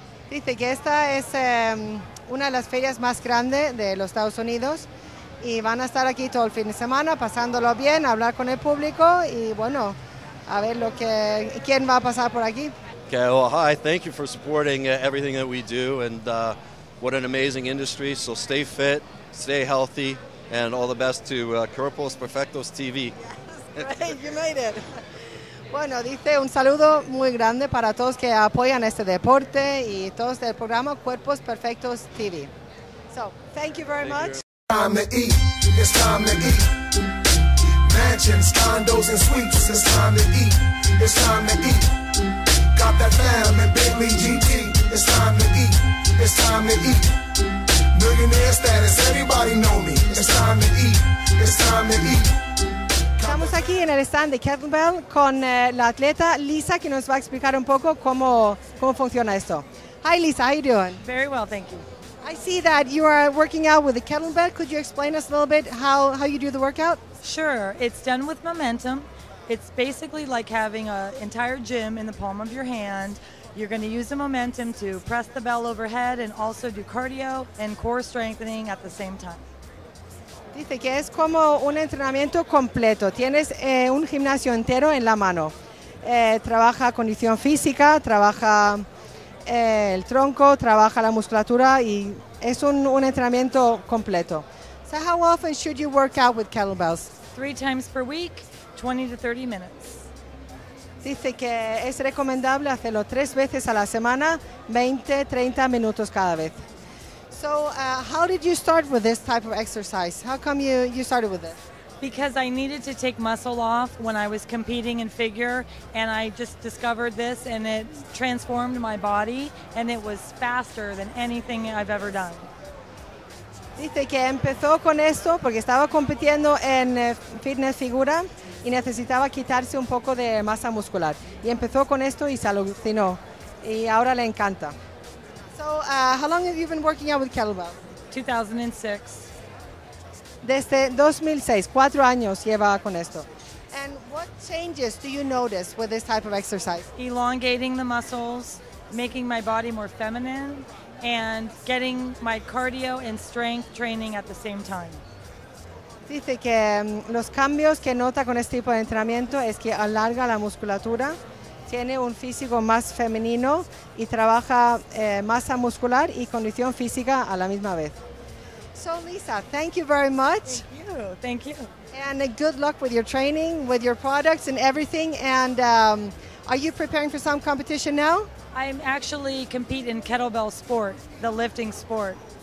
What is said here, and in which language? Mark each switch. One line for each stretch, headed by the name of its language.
Spanish: Dice que esta es una de las ferias más grandes de los Estados Unidos. Y van a estar aquí todo el fin de semana, pasándolo bien, hablar con el público y, bueno, a ver lo que quién va a pasar por aquí.
English: Okay, well, hi, thank you for supporting everything that we do, and what an amazing industry, so stay fit, stay healthy, and all the best to Cuerpos Perfectos TV. Great, you made it.
Spanish: Bueno, dice un saludo muy grande para todos que apoyan este deporte y todos del programa Cuerpos Perfectos TV.
English: So, thank you very much. Time to eat, it's time to eat. Mansions, condos, and suites, it's time to eat, it's time to eat. Got that fam and Bentley GT. It's time to eat, it's time to eat. Millionaire status, everybody know me. It's time to eat, it's time to eat.
Spanish: Estamos aquí en el stand de Kettlebell con la atleta Lisa, que nos va a explicar un poco cómo funciona esto.
English: Hi Lisa, how are you doing? Very well, thank you. I see that you are working out with the kettlebell. Could you explain us a little bit how you do the workout? Sure, it's done with momentum. It's basically like having an entire gym in the palm of your hand. You're going to use the momentum to press the bell overhead and also do cardio and core strengthening at the same time.
Spanish: Dice que es como un entrenamiento completo. Tienes un gimnasio entero en la mano. Trabaja condición física, trabaja el tronco, trabaja la musculatura y es un entrenamiento completo.
English: So how often should you work out with kettlebells? 3 times per week, 20 to 30 minutes.
Spanish: Dice que es recomendable hacerlo 3 veces a la semana, 20, 30 minutos cada vez.
English: So how did you start with this type of exercise? How come you started with this? Because I needed to take muscle off when I was competing in figure, and I just discovered this, and it transformed my body, and it was faster than anything I've ever done.
Spanish: Dice que empezó con esto porque estaba compitiendo en fitness figura y necesitaba quitarse un poco de masa muscular. Y empezó con esto y se alucinó. Y ahora le encanta.
English: So, how long have you been working out with kettlebell? 2006.
Spanish: Desde 2006, 4 años lleva con esto.
English: And what changes do you notice with this type of exercise? Elongating the muscles, making my body more feminine, and getting my cardio and strength training at the same time.
Spanish: Dice que los cambios que nota con este tipo de entrenamiento es que alarga la musculatura, tiene un físico más femenino y trabaja masa muscular y condición física a la misma vez.
English: So Lisa, thank you very much. Thank you. And good luck with your training, with your products and everything. And are you preparing for some competition now? I'm actually compete in kettlebell sport, the lifting sport.